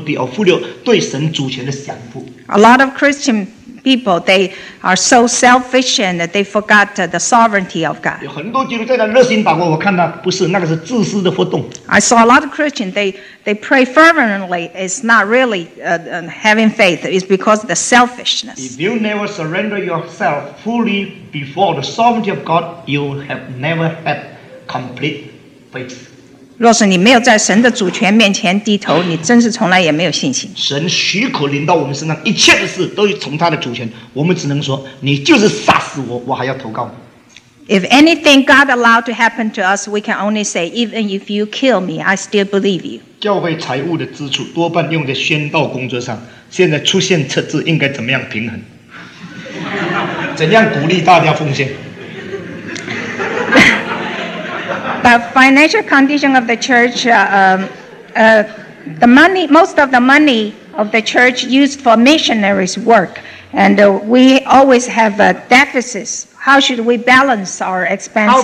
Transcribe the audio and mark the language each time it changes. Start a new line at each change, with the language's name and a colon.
Chinese: 今天教会里面很多人在热心里面加上自私同自我的目的，而忽略对神主权的享福。
English: A lot of Christian people, they are so selfish and that they forgot the sovereignty of God.
Chinese: 有很多基督徒在那热心祷告，我看他不是，那个是自私的活动。
English: I saw a lot of Christians, they pray fervently. It's not really having faith. It's because of the selfishness. If you never surrender yourself fully before the sovereignty of God, you have never had complete faith.
Chinese: 若是你没有在神的主权面前低头，你真是从来也没有信心。神许可临到我们身上，一切的事都从他的主权，我们只能说，你就是杀死我，我还要投靠你。
English: If anything God allowed to happen to us, we can only say, even if you kill me, I still believe you.
Chinese: 教会财务的支出多半用在宣道工作上，现在出现赤字，应该怎么样平衡？怎样鼓励大家奉献？
English: the financial condition of the church, the money, most of the money of the church used for missionaries work, and we always have a deficit. How should we balance our expenses?